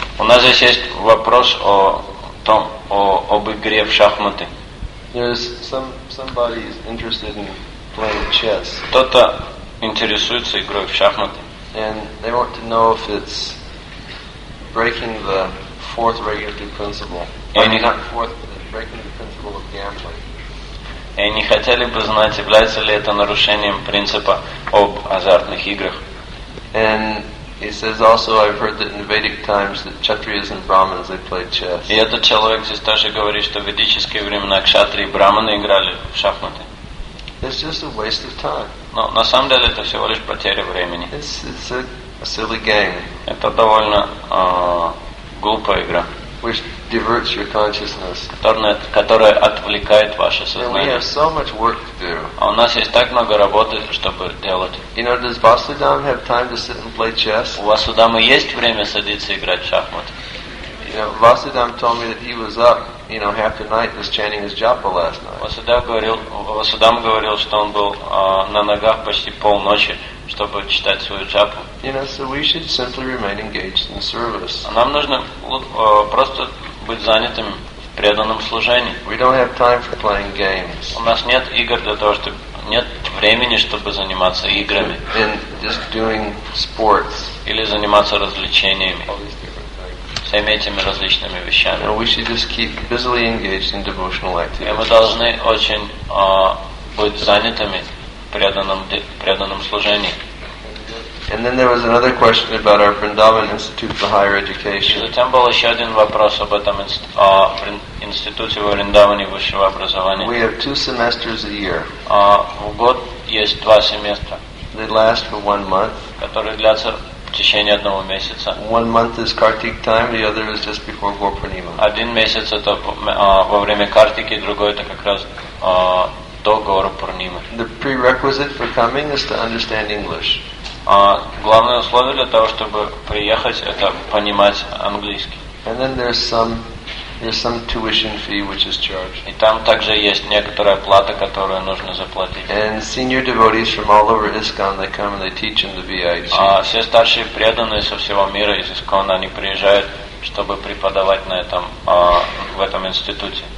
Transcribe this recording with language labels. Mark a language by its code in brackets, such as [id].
[ru] У нас здесь есть вопрос о том, об игре в шахматы. [en] There's somebody is interested in playing chess. [ru] Кто-то интересуется игрой в шахматы. [en] And they want to know if it's breaking the fourth regulative principle. [ru] Они [en] not fourth regulative principle of gambling. [ru] И они хотели бы знать, является ли это нарушением принципа об азартных играх. [en] And he says also, I've heard that in Vedic times that Kshatriyas and Brahmins they played chess. [ru] И этот человек здесь тоже говорит, что в ведические времена кшатрии и брахманы играли в шахматы. [en] It's just a waste of time. [ru] Но на самом деле это всего лишь потеря времени. [en] It's a silly game. [ru] Это довольно глупая игра, [en] which diverts your consciousness. [ru] Которая отвлекает ваше сознание. [en] And we have so much work to do. [ru] А у нас есть так много работы, чтобы делать. [en] You know, does Vasudham have time to sit and play chess? [ru] У Васудама есть время садиться играть в шахматы? [en] You know, Vasudham told me that he was up, you know, half the night just chanting his japa last night. [ru] Васудам говорил, что он был на ногах почти полночи, чтобы читать свою джапу. [en] You know, so we should simply remain engaged in service. [ru] Нам нужно просто быть занятым в преданном служении. [en] We don't have time for playing games. [ru] У нас нет игр для того, чтобы нет времени, чтобы заниматься играми. [en] And just doing sports. [ru] Или заниматься развлечениями. Всеми этими различными вещами. [en] You know, we should just keep busily engaged in devotional activities. [ru] И мы должны очень быть занятыми преданном служении. [en] And then there was another question about our Vrindavan Institute for Higher Education. [ru] Затем был еще один вопрос об этом институте в Вриндаване высшего образования. [en] We have two semesters a year. [ru] В год есть два семестра. [en] They last for 1 month. [ru] Которые длятся в течение одного месяца. [en] 1 month is Kartik time, the other is just before Gopurnima. [ru] Один месяц это во время Картики, другой это как раз [en] The prerequisite for coming is to understand English. [ru] Главное условие для того, чтобы приехать, это понимать английский. [en] And then there's some tuition fee which is charged. [ru] И там также есть некоторая плата, которую нужно заплатить. [en] And senior devotees from all over ISKCON, they come and they teach in the VIC. [ru] А все старшие преданные со всего мира из ISKCON, они приезжают, чтобы преподавать на этом в этом институте.